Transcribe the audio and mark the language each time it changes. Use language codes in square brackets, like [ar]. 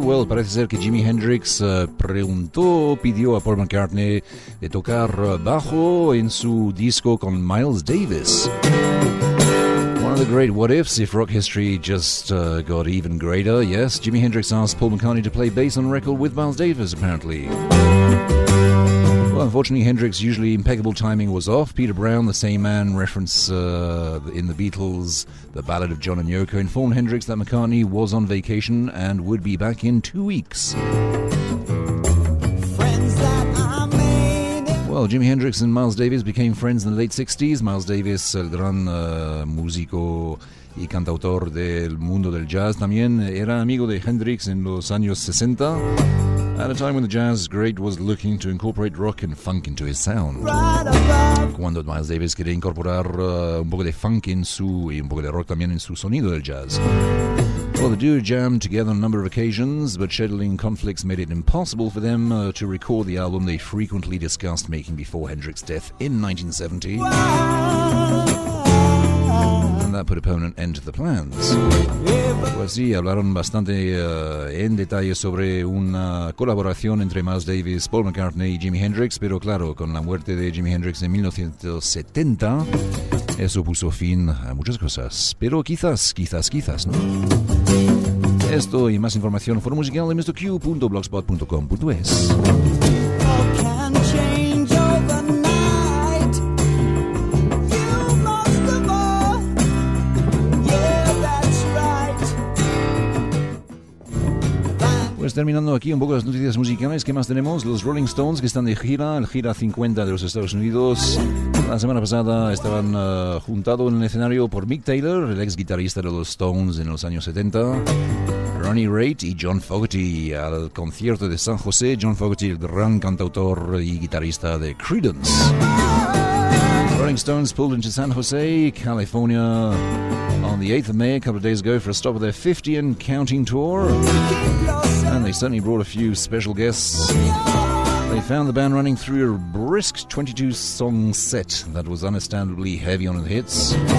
[es] Well, parece ser que Jimi Hendrix pidió a Paul McCartney de tocar bajo en su disco con Miles Davis. [en] One of the great what-ifs, if rock history just got even greater. Yes, Jimi Hendrix asked Paul McCartney to play bass on a record with Miles Davis, apparently. Well, unfortunately, Hendrix's usually impeccable timing was off. Peter Brown, the same man referenced in the Beatles' The Ballad of John and Yoko, informed Hendrix that McCartney was on vacation and would be back in 2 weeks. Well, Jimi Hendrix and Miles Davis became friends in the late 60s. [es] Miles Davis, el gran músico y cantautor del mundo del jazz, también era amigo de Hendrix en los años 60. [en] At a time when the jazz great was looking to incorporate rock and funk into his sound. [es] Cuando Miles Davis quería incorporar un poco de funk en su y un poco de rock también en su sonido del jazz. [en] Well, the duo jammed together on a number of occasions, but scheduling conflicts made it impossible for them to record the album they frequently discussed making before Hendrix's death in 1970. And that put a permanent end to the plans. [es] Pues sí, hablaron bastante en detalle sobre una colaboración entre Miles Davis, Paul McCartney y Jimi Hendrix, pero claro, con la muerte de Jimi Hendrix en 1970, eso puso fin a muchas cosas. Pero quizás, ¿no? Esto y más información, foro musical de MrQ.blogspot.com.es. Pues terminando aquí un poco las noticias musicales, ¿qué más tenemos? Los Rolling Stones, que están de gira, el Gira 50 de los Estados Unidos. La semana pasada estaban juntados en el escenario por Mick Taylor, el ex guitarrista de los Stones en los años 70, Ronnie Raitt y John Fogerty al concierto de San José. John Fogerty, el gran cantautor y guitarrista de Creedence. [en] Rolling Stones pulled into San José, California, on the 8th of May, a couple of days ago, for a stop of their 50 and counting tour. And they certainly brought a few special guests. They found the band running through a brisk 22-song set that was understandably heavy on the hits.